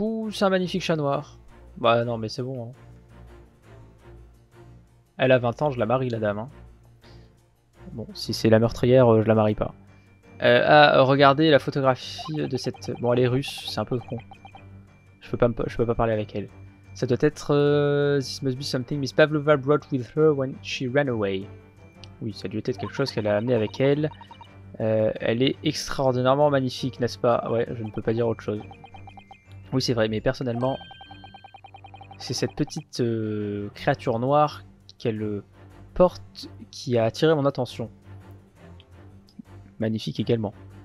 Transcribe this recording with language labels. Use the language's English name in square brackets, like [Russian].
[French] C'est un magnifique chat noir. Bah non, mais c'est bon. Hein. Elle a 20 ans, je la marie, la dame. Hein. Bon, si c'est la meurtrière, je la marie pas. Regardez la photographie de cette... Bon, elle est russe, c'est un peu con. Je peux pas parler avec elle. Ça doit être... [English] This must be something Miss Pavlova brought with her when she ran away. [French] Oui, ça doit être quelque chose qu'elle a amené avec elle. Elle est extraordinairement magnifique, n'est-ce pas? Ouais, je ne peux pas dire autre chose. Oui, c'est vrai, mais personnellement, c'est cette petite créature noire qu'elle porte qui a attiré mon attention. Magnifique également.